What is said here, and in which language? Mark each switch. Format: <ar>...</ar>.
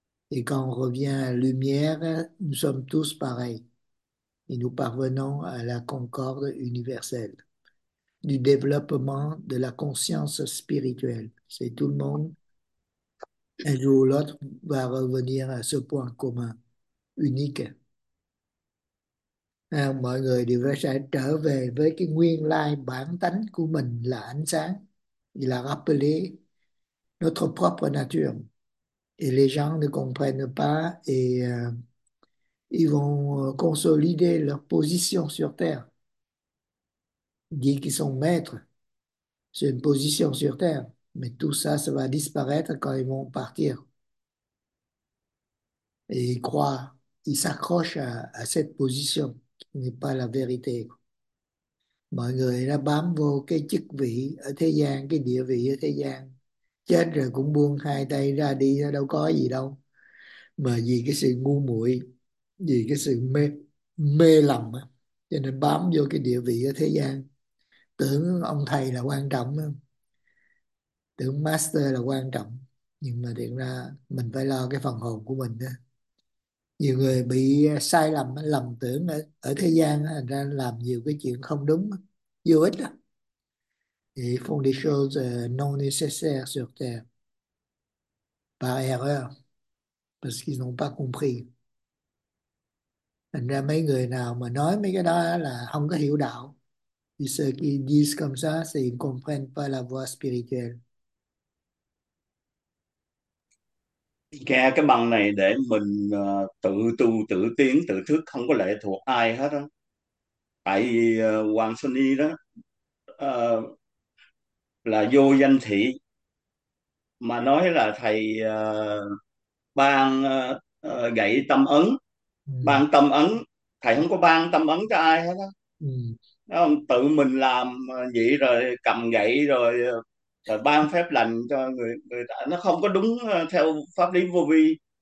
<fr>Et quand on revient à la lumière, nous sommes tous pareils. Et nous parvenons à la concorde universelle, du développement de la conscience spirituelle. C'est tout le monde, un jour ou l'autre, va revenir à ce point commun, unique.</fr> <vi>À, mọi người đều sẽ trở về với cái nguyên lai bản tánh của mình là ánh sáng, là</vi> <fr>rappeler notre propre nature. Et les gens ne comprennent pas et ils vont consolider leur position sur Terre. Dit qu'ils sont maîtres, c'est une position sur Terre. Mais tout ça, ça va disparaître quand ils vont partir. Et ils croient, ils s'accrochent à cette position qui n'est pas la vérité.</fr> <vi>Mọi người đã bám vô cái chức vị ở thế gian, cái địa vị ở thế gian. Chết rồi cũng buông hai tay ra đi, đâu có gì đâu. Mà vì cái sự ngu muội, vì cái sự mê lầm, cho nên bám vô cái địa vị ở thế gian. Tưởng ông thầy là quan trọng, tưởng master là quan trọng. Nhưng mà thiệt ra mình phải lo cái phần hồn của mình. Nhiều người bị sai lầm, lầm tưởng ở thế gian, thành ra làm nhiều cái chuyện không đúng, vô ích đó.</vi> <fr>Ils font des choses non nécessaires sur Terre par erreur parce qu'ils n'ont pas compris.</fr> <vi>Thành ra mấy người nào mà nói mấy cái đó là không có hiểu đạo.</vi> <fr>Vì ceux qui disent comme ça, c'est ils ne comprennent pas la voie spirituelle.</fr> <vi>Nghe cái bằng này để mình tự tu tự tiến tự thức, không có lệ thuộc ai hết á. Tại vì Hoàng Sunny đó là vô danh thị, mà nói là thầy ban gậy tâm ấn, ban tâm ấn, thầy không có ban tâm ấn cho ai hết á, tự mình làm vậy rồi cầm gậy rồi ban phép lành cho người người ta, nó không có đúng theo pháp lý vô vi.</vi>